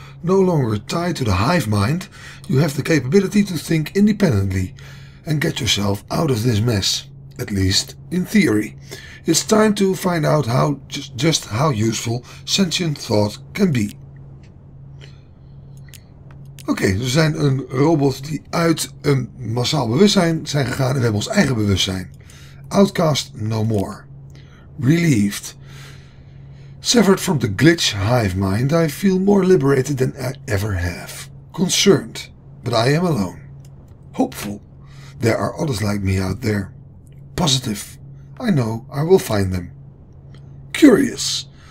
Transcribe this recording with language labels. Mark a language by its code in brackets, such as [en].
[en] No longer tied to the hive mind, you have the capability to think independently and get yourself out of this mess, at least in theory. It's time to find out how just how useful sentient thought can be. [nl] Oké, we zijn een robot die uit een massaal bewustzijn zijn gegaan en we hebben ons eigen bewustzijn. [en] Outcast no more. Relieved. Severed from the glitch hive mind, I feel more liberated than I ever have. Concerned, but I am alone. Hopeful. There are others like me out there. Positive. I know I will find them. Curious.